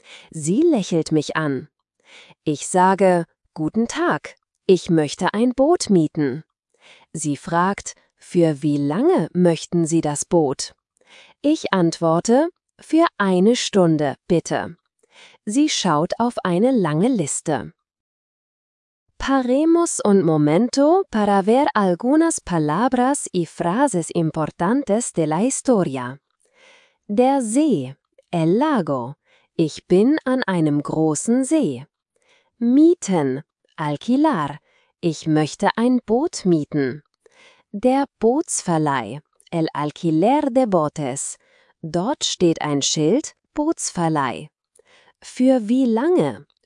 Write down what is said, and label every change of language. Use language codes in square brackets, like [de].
[de] Sie lächelt mich an. Ich sage, guten Tag, ich möchte ein Boot mieten. Sie fragt, für wie lange möchten Sie das Boot? Ich antworte, für eine Stunde, bitte. Sie schaut auf eine lange Liste. [es] Paremos un momento para ver algunas palabras y frases importantes de la historia. [de] Der See, [es] el lago. [de] Ich bin an einem großen See. Mieten, alquilar. Ich möchte ein Boot mieten. Der Bootsverleih, [es] el alquiler de botes. [de] Dort steht ein Schild, Bootsverleih. Für wie lange?